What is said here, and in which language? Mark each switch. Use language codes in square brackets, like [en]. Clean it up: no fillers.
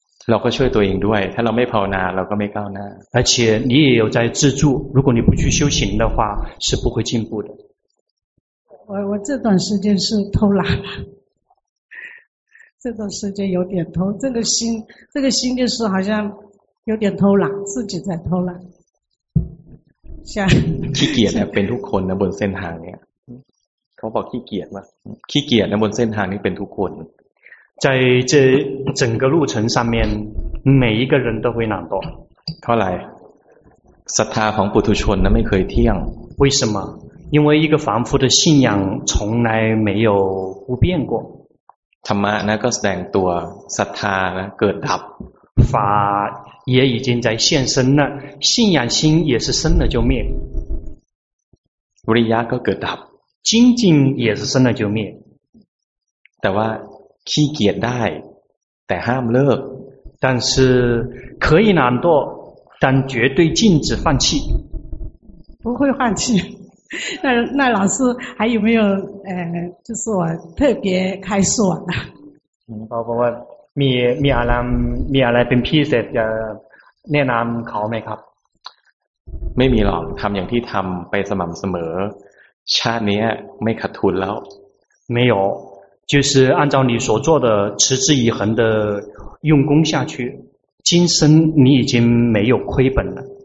[th] เราก็ช่วยตัวเองด้วยถ้าเราไม่ภาวนาเราก็ไม่ก้าวหน้า [zh] 而且你也有在自助如果你不去修行的话是不会进步的我这段时间是偷懒这段时间有点偷这个心就是好像有点偷懒自己在偷懒 [th] ขี้เกียจเป็นทุกคนนะบนเส้นทางเนี่ยเขาบอกขี้เกียจว่าขี้เกียจนะบนเส้นทางนี้เป็นทุกคน [zh] 在这整个路程上面每一个人都会懒惰 [th] เท่าไหร่ศรัทธาของปุถุชนนะไม่เคยเที่ยง [zh] 为什么因为一个凡夫的信仰从来没有不变过 [th] ธรรมะนะก็แสดงตัวศรัทธานะเกิดดับ [zh] 法也已经在现身了信仰心也是生了就灭 [th] วิริยะก็เกิดดับ [zh] 精进也是生了就灭 [th] แต่ว่าขี้เกียจได้แต่ห้ามเลิก [zh] 但是可以懒惰但绝对禁止放弃不会放弃那老师还有没有就是我特别开示我的包括问 [th] มีอะไรเป็นพิเศษจะแนะนำเขาไหมครับ ไม่มีหรอกทำอย่างที่ทำไปสม่ำเสมอชาตินี้ไม่ขาดทุนแล้ว [zh] 没有就是按照你所做的持之以恒的用功下去今生你已经没有亏本了